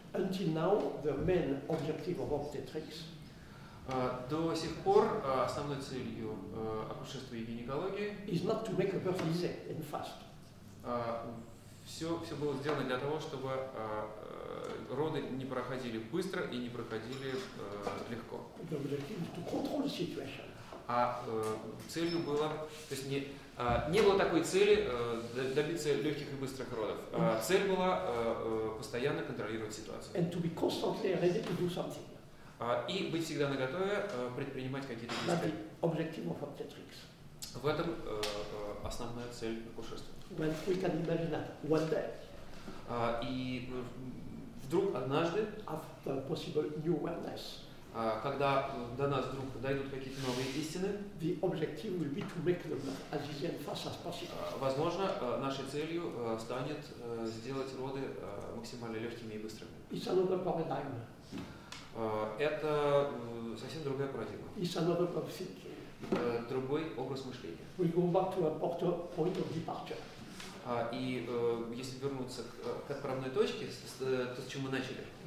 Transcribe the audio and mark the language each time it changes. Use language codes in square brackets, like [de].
[en] Until now, the main objective of obstetrics. [ru] До сих пор основной целью акушерства и гинекологии [en] is not to make a birth easy and fast. [ru] Все было сделано для того, чтобы роды не проходили быстро и не проходили легко. [en] The objective is to control the situation. [ru] А целью было, то есть не было такой цели добиться легких и быстрых родов. Цель была постоянно контролировать ситуацию. [en] And to be constantly ready to do something. [ru] И быть всегда наготове предпринимать какие-то действия. [en] That's the objective of obstetrics. [ru] В этом основная цель акушерства. [en] When we can imagine that one day. [ru] И вдруг однажды. [en] After possible new wellness. [ru] Когда до нас вдруг дойдут какие-то новые истины, [en] the objective will be to make them as easy and fast as possible. [ru] Возможно, нашей целью станет сделать роды максимально легкими и быстрыми. [en] It's another paradigm. [ru] Это совсем другая парадигма. [en] It's another paradigm. [ru] Другой образ мышления. [en] We'll go back to a proper point of departure. [ru] И если вернуться к отправной точке, то с чем мы начали.